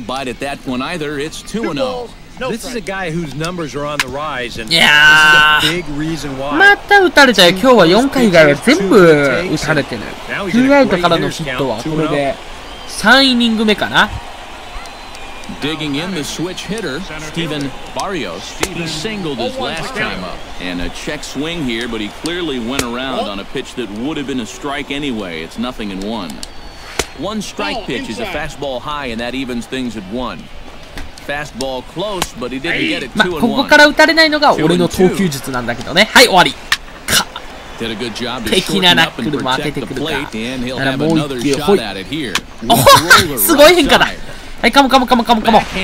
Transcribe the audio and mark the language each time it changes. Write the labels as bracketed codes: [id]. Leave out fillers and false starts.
[ja] いやまた打たれちゃう。今日は4回以外は全部打たれてる。ツーアウトからのヒットはこれで3イニング目かな。 [en] Digging in the switch hitter, Steven Barrios. He singled his last time up. And a check swing here, but he clearly went around on a pitch that would have been a strike anyway. It's nothing in one. One strike pitch is a fastball high, and that evens things at one. fastball close, but he didn't get it. [ja] まあ、ここから打たれないのが俺の投球術なんだけどね。はい、終わり。か。敵なナックルも当ててくるか。ならもう一球、ほい。おほすごい変化だ。はい、カモカモカモカモカモ。